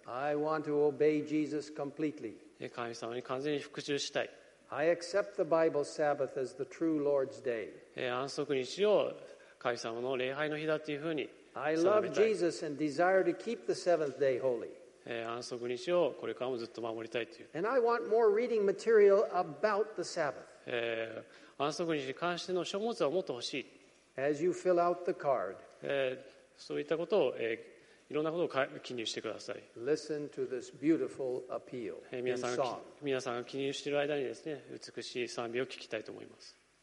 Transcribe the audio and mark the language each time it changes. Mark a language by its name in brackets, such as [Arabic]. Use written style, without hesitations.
[English] I want to obey Jesus completely. [Japanese] 神様に完全に服従したい。 [English] I accept the Bible Sabbath as the true Lord's day. [Japanese] 安息日を神様の礼拝の日だというふうに定めたい。 [English] I love Jesus and desire to keep the seventh day holy. [Japanese] 安息日をこれからもずっと守りたいという。 [English] And I want more reading material about the Sabbath. [Japanese] 安息日に関しての書物はもっと欲しい。 [English] As you fill out the card. [Japanese] そういったことを、いろんなことを記入してください。 [English] Listen to this beautiful appeal in song. [Japanese] 皆さんが記入している間にですね、美しい賛美を聞きたいと思います。